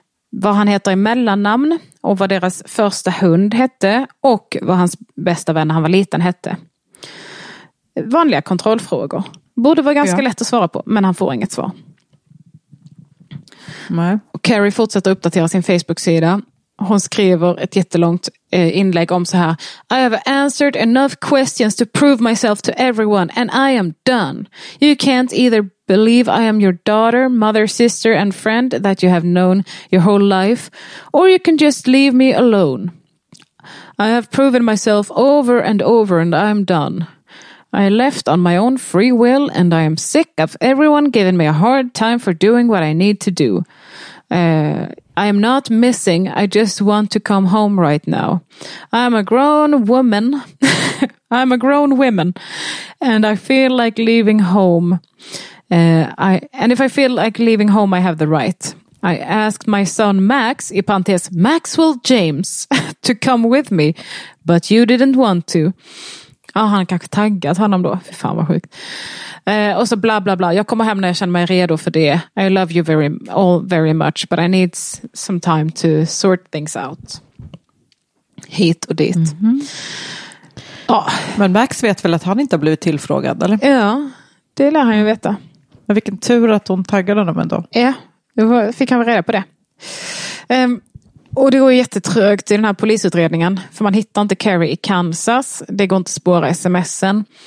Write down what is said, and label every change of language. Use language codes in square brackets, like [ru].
[sv] Vad han heter i mellannamn och vad deras första hund hette och vad hans bästa vän när han var liten hette. Vanliga kontrollfrågor. Borde vara ganska lätt att svara på, men han får inget svar. Nej. Och Carrie fortsätter uppdatera sin Facebook-sida. Hon skriver ett jättelångt inlägg om så här. [en] I have answered enough questions to prove myself to everyone and I am done. You can't either believe I am your daughter, mother, sister and friend that you have known your whole life or you can just leave me alone. I have proven myself over and over and I am done. I left on my own free will and I am sick of everyone giving me a hard time for doing what I need to do. I am not missing. I just want to come home right now. I am a grown woman. I'm a grown woman and I feel like leaving home. If I feel like leaving home, I have the right. I asked my son Max, Ipantes Maxwell James, to come with me, but you didn't want to. [sv] Ja, han kanske taggat honom då. Fy fan vad sjukt. Och så bla bla bla. Jag kommer hem när jag känner mig redo för det. [en] I love you very, all very much, but I need some time to sort things out. [sv] Hit och dit. Mm-hmm. Ja. Men Max vet väl att han inte har blivit tillfrågad, eller? Ja, det lär han ju veta. Men vilken tur att hon taggade honom ändå. Ja, då fick han väl reda på det. Och det går jättetrögt i den här polisutredningen. För man hittar inte Carrie i Kansas. Det går inte att spåra sms'en.